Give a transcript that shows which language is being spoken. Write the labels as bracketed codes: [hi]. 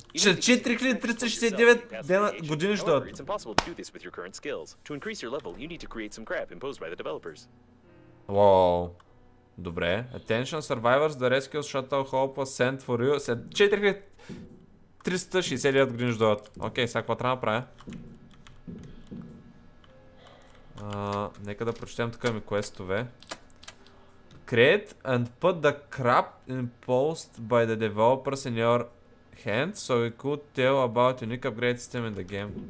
[bg] 4,369 години ще дойдат. [en] It's impossible to do this with your current skills. To increase your level, you need to create some crap imposed by the developers. [bg] Wow. Добре. [en] Attention survivors, the rescue shuttle hope sent for you. [bg] 4,369 години ще дойдат. Окей, сега какво трябва да правя? Нека да прочетем тук ми квестове. [en] Create and put the crap imposed by the developers in your hand so we could tell about unique upgrade system in the game.